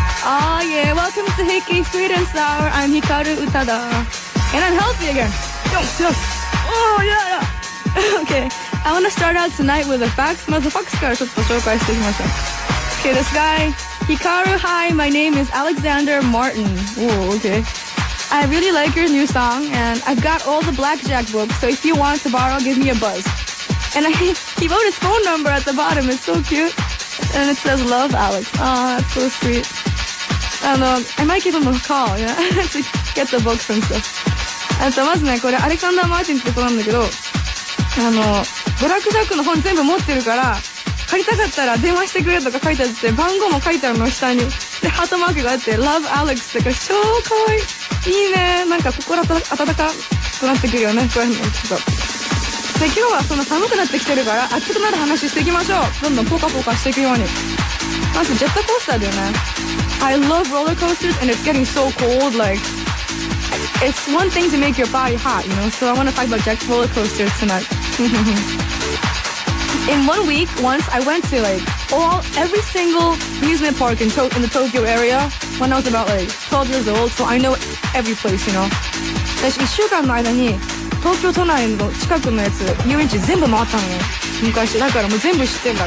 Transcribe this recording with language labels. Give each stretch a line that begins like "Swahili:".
English: Oh yeah, welcome to Hikki's Sweet and Sour. I'm Hikaru, 宇多田.And I'm healthy again. Yes, yes. Oh yeah, yeah. Okay, I want to start out tonight with a fax.
Japanese: まずファクスからちょっと紹介していきましょう。
English: Okay, this guy, Hikaru, hi, my name is Alexander Martin. Oh, okay. I really like your new song, and I've got all the blackjack books, so if you want to borrow, give me a buzz. And I, he wrote his phone number at the bottom, it's so cute. And it says, love, Alex. Aw, that's so sweet. And, I might give him a call, yeah, to get the books and stuff. And so,
Japanese: まずね、これ、アレクサンダー・マーティンってことなんだけど、あの、ブラックジャックの本全部持ってるから、借りたかったら電話してくれとか書いてあって、番号も書いてあるの、下に。で、ハートマークがあって、
English: love, Alex
Japanese: ってか、超可愛い。いいね。なんか心温かくなってくるよね、こういうの、ちょっと。で、今日はその寒くなってきてるから、暑くなる話していきましょう。どんどんポカポカしていくように。まず、ジェットコースターだよね。
English: I love roller coasters and it's getting so cold, like. It's one thing to make your body hot, you know, so I want to talk about jet roller coasters tonight. In 1 week, once, I went to, like, every single amusement park in the Tokyo area when I was about, like, 12 years old, so I know every place, you know.
Japanese: 私、一週間の間に、東京都内の近くのやつ、遊園地全部回ったのよ、ね。昔、だからもう全部知ってんだ。